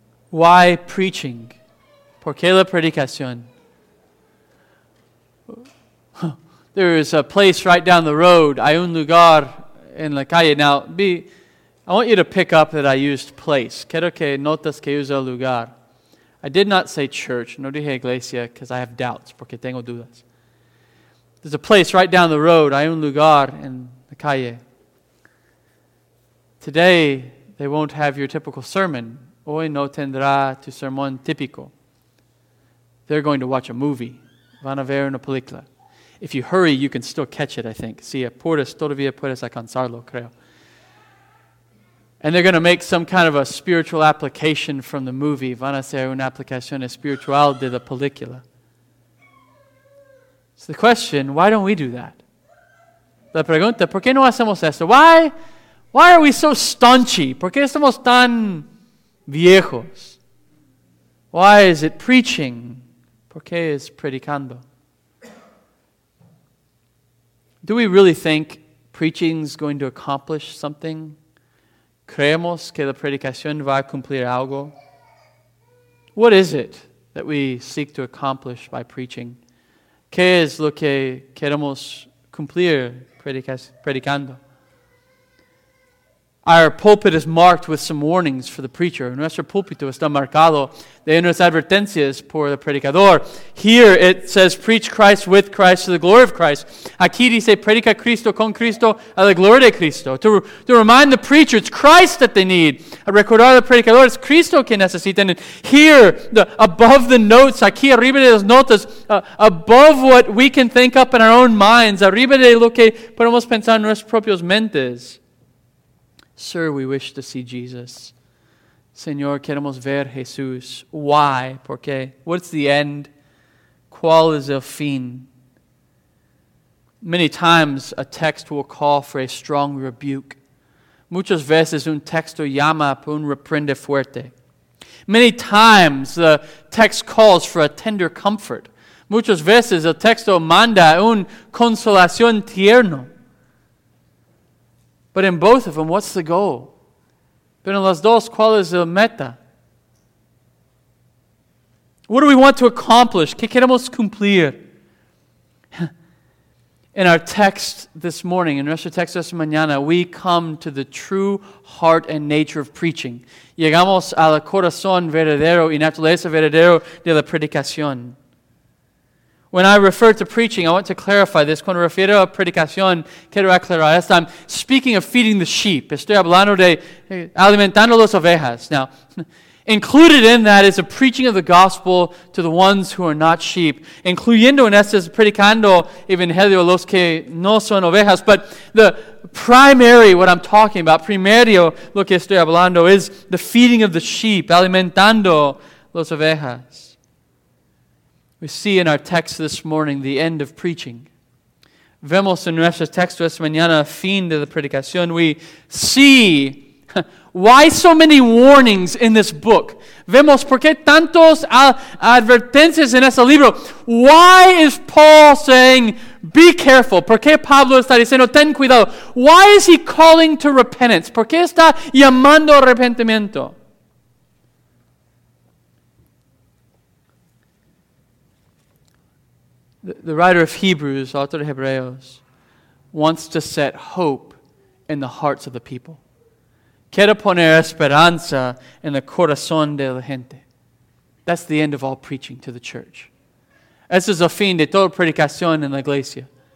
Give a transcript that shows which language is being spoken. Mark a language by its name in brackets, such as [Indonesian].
[English] Why preaching? [Spanish] ¿Por qué la predicación? [English] There is a place right down the road, [Spanish] hay un lugar en la calle. [English] Now, I want you to pick up that I used place. [Spanish] Quiero que notas que uso lugar. [English] I did not say church, [Spanish] no dije iglesia, [English] because I have doubts, [Spanish] porque tengo dudas. [English] There's a place right down the road, [Spanish] hay un lugar en la calle. [English] Today, they won't have your typical sermon. [Spanish] Hoy no tendrá tu sermón típico. [English] They're going to watch a movie. [Spanish] Van a ver una película. [English] If you hurry, you can still catch it, I think. [Spanish] Si aportas, todavía puedes alcanzarlo, creo. [English] And they're going to make some kind of a spiritual application from the movie. [Spanish] Van a hacer una aplicación espiritual de la película. [English] So the question, why don't we do that? [Spanish] La pregunta, ¿por qué no hacemos esto? [English] Why are we so staunchy? [Spanish] ¿Por qué estamos tan viejos? [English] Why is it preaching? [Spanish] ¿Por qué es predicando? [English] Do we really think preaching is going to accomplish something? [Spanish] ¿Creemos que la predicación va a cumplir algo? [English] What is it that we seek to accomplish by preaching? [Spanish] ¿Qué es lo que queremos cumplir predicando? [English] Our pulpit is marked with some warnings for the preacher. [Spanish] Nuestro púlpito está marcado de unas advertencias por el predicador. [English] Here it says, preach Christ with Christ to the glory of Christ. [Spanish] Aquí dice, predica Cristo con Cristo a la gloria de Cristo. [English] To remind the preacher, it's Christ that they need. [Spanish] A recordar al predicador, es Cristo que necesitan. [English] And here, above the notes, [Spanish] aquí arriba de las notas, [English] above what we can think up in our own minds, [Spanish] arriba de lo que podemos pensar en nuestras propias mentes. [English] Sir, we wish to see Jesus. [Spanish] Señor, queremos ver Jesús. [English] Why? [Spanish] ¿Por qué? [English] What's the end? [Spanish] ¿Cuál es el fin? [English] Many times a text will call for a strong rebuke. [Spanish] Muchas veces un texto llama por un reprende fuerte. [English] Many times the text calls for a tender comfort. [Spanish] Muchas veces el texto manda un consolación tierno. [English] But in both of them, what's the goal? [Spanish] Pero en las dos, ¿cuál es la meta? [English] What do we want to accomplish? [Spanish] ¿Qué queremos cumplir? [English] In our text this morning, in [Spanish] nuestro texto esta mañana, [English] we come to the true heart and nature of preaching. [Spanish] Llegamos al corazón verdadero y naturaleza verdadero de la predicación. [English] When I refer to preaching, I want to clarify this. [Spanish] Cuando refiero a predicación, quiero aclarar esto. [English] I'm speaking of feeding the sheep. [Spanish] Estoy hablando de alimentando las ovejas. [English] Now, included in that is a preaching of the gospel to the ones who are not sheep. [Spanish] Incluyendo en esto es predicando evangelio a los que no son ovejas. [English] But the primary, what I'm talking about, [Spanish] primario, lo que estoy hablando, [English] is the feeding of the sheep, [Spanish] alimentando los ovejas. [English] We see in our text this morning the end of preaching. [Spanish] Vemos en nuestro texto esta mañana fin de la predicación. [English] We see why so many warnings in this book. [Spanish] Vemos por qué tantos advertencias en este libro. [English] Why is Paul saying, be careful? [Spanish] ¿Por qué Pablo está diciendo, ten cuidado? [English] Why is he calling to repentance? [Spanish] ¿Por qué está llamando arrepentimiento? [English] The writer of Hebrews, author of Hebreos, wants to set hope in the hearts of the people. [Spanish] Quiere poner esperanza en el corazón de la gente. [English] That's the end of all preaching to the church. [Spanish] Ese es el fin de toda predicación en la iglesia.